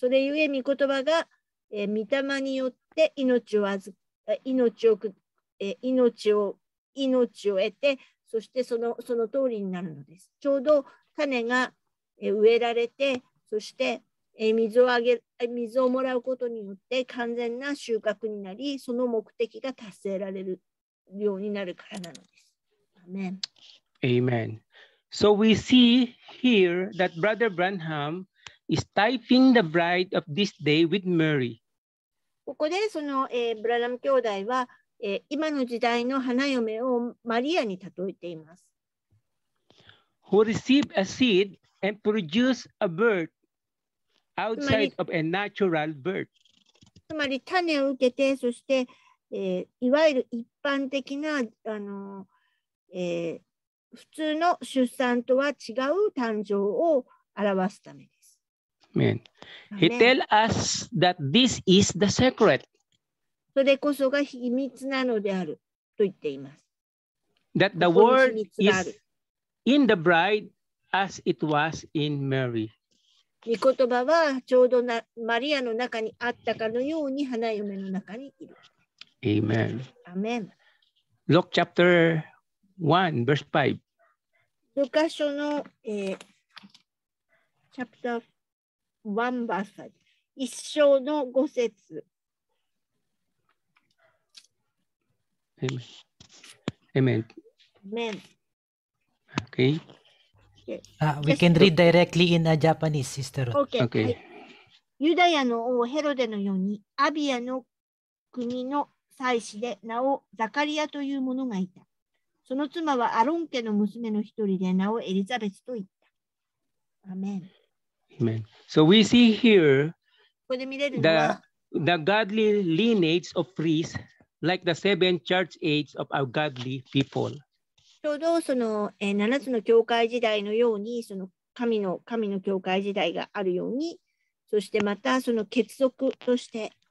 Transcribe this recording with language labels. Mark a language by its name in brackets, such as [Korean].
[Japanese] それゆえ御言葉が、御霊によって命を得て、そしてその通りになるのです。ちょうど種が植えられて、そして水をもらうことによって完全な収穫になり、その目的が達成られるようになるからなのです。 [English] Amen. Amen. So we see here that Brother Branham is typing the bride of this day with Mary. [Japanese] ここでその、ブラナム兄弟は、今の時代の花嫁をマリアに例えています。 [English] Who received a seed and produced a bird outside of a natural birth. [Japanese] つまり種を受けて、そして、いわゆる一般的な普通の出産とは違う誕生を表すためです。 [English] Amen. He tell us that this is the secret. [Japanese] それこそが秘密なのであると言っています。 [English] That the word is in the bride as it was in Mary. [Japanese] 御言葉はちょうどマリアの中にあったかのように花嫁の中にいる。 [English] Amen. Amen. Luke chapter 1, verse 5. [Japanese] ルカ書の、 [English] チャプター1バーサイ、 [Japanese] 一章の五節。 [English] Amen. Amen. Okay. We can read directly in a Japanese, sister. Okay. Okay. [Japanese] ユダヤの王ヘロデのように、アビアの国の祭司で、名をザカリアという者がいた。その妻はアロン家の娘の一人で名をエリザベスと言った。アメン。 [English] Amen. So we see here [Japanese] ここで見れるのは [English] the godly lineage of priests, like the seven church age of our godly people. [Japanese] ちょうどその七つの教会時代のように、その神の教会時代があるように、そしてまたその結束として。